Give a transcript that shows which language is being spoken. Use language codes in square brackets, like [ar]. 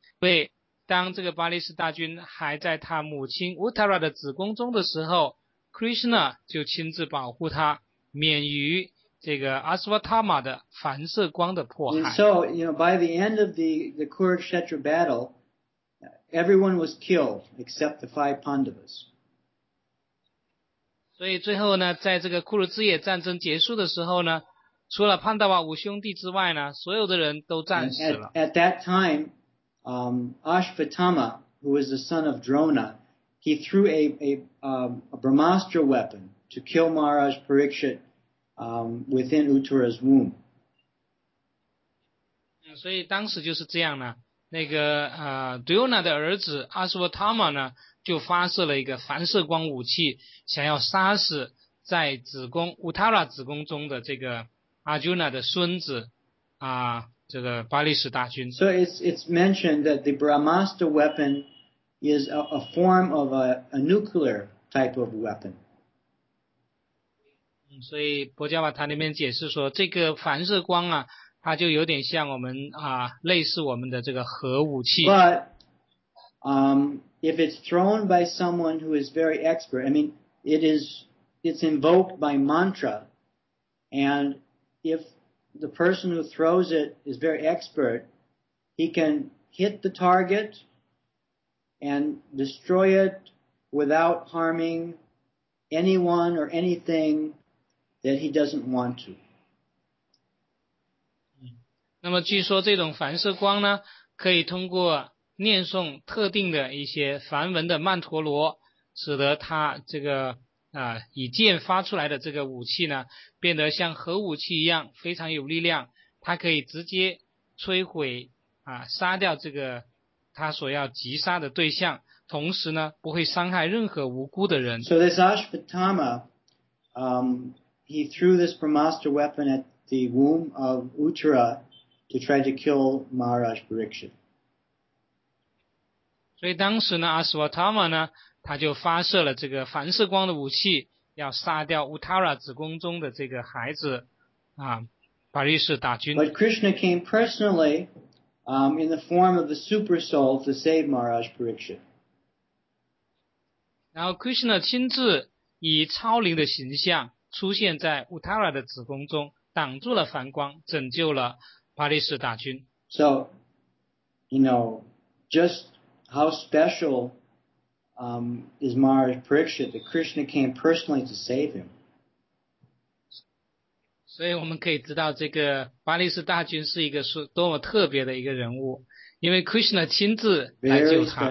[zh] 因为当这个巴利士大军还在他母亲 Uttara 的子宫中的时候， Krishna 就亲自保护他免于这个阿斯瓦塔玛的反射光的迫害。 [en] And so, you know, by the end of the Kurukshetra battle, everyone was killed except the five Pandavas. [zh] 所以最后呢，在这个库鲁兹野战争结束的时候呢，除了潘达瓦五兄弟之外呢，所有的人都战死了。 [en] At that time, Ashvatthama, who was the son of Drona, he threw a Brahmastra weapon to kill Maharaj Parikshit, within Uttara's womb. [zh] 所以当时就是这样呢，那个Drona 的儿子 Ashvatthama 呢，就发射了一个反射光武器，想要杀死在子宫 Uttara 子宫中的这个。 Arjuna 的孙子啊，这个巴利什大军。 [en] So it's mentioned that the Brahmastra weapon is a form of a nuclear type of weapon. [zh] 所以波伽瓦塔里面解释说，这个反射光啊，它就有点像我们啊，类似我们的这个核武器。 [en] But if it's thrown by someone who is very expert, I mean, it's invoked by mantra and if the person who throws it is very expert, he can hit the target and destroy it without harming anyone or anything that he doesn't want to. [zh] 那么据说这种反射光呢，可以通过念诵特定的一些梵文的曼陀罗，使得他这个以剑发出来的这个武器呢，变得像核武器一样非常有力量，它可以直接摧毁杀掉这个他所要击杀的对象，同时呢不会伤害任何无辜的人。 [en] So this Ashvatthama, he threw this Brahmastra weapon at the womb of Uttara to try to kill Maharaj Parikshit. [zh] 所以当时呢Ashvatthama呢，他就发射了这个反射光的武器，要杀掉 Uttara 子宫中的这个孩子啊，巴利士大军。 [en] But Krishna came personally, in the form of the super soul to save Maharaj Parikshit. [zh] 然后 Krishna 亲自以超灵的形象出现在 Uttara 的子宫中，挡住了梵光，拯救了巴利士大军。 [en] So, you know, just how special is Maharaj Parikshit, that Krishna came personally to save him. [zh] 所以我们可以知道这个巴利士大军是一个多么特别的一个人物，因为 Krishna 亲自来救他。